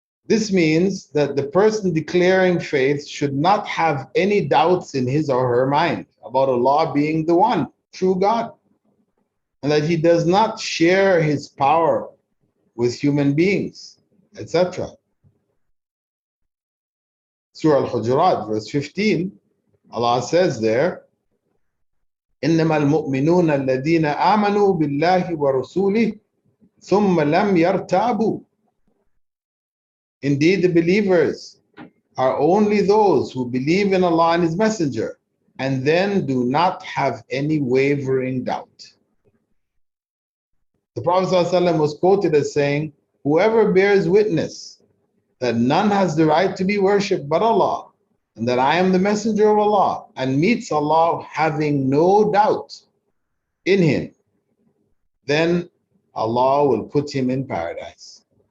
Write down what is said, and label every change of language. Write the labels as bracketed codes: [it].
[en] This means that the person declaring faith should not have any doubts in his or her mind about Allah being the one true God, and that He does not share His power with human beings, etc. Surah Al-Hujurat, verse 15, Allah says there, [ar] إِنَّمَا الْمُؤْمِنُونَ الَّذِينَ آمَنُوا بِاللَّهِ وَرُسُولِهِ ثُمَّ لَمْ يَرْتَابُوا. [en] Indeed, the believers are only those who believe in Allah and His Messenger, and then do not have any wavering doubt. The Prophet ﷺ was quoted as saying, whoever bears witness that none has the right to be worshipped but Allah, and that I am the messenger of Allah, and meets Allah having no doubt in him, then Allah will put him in paradise.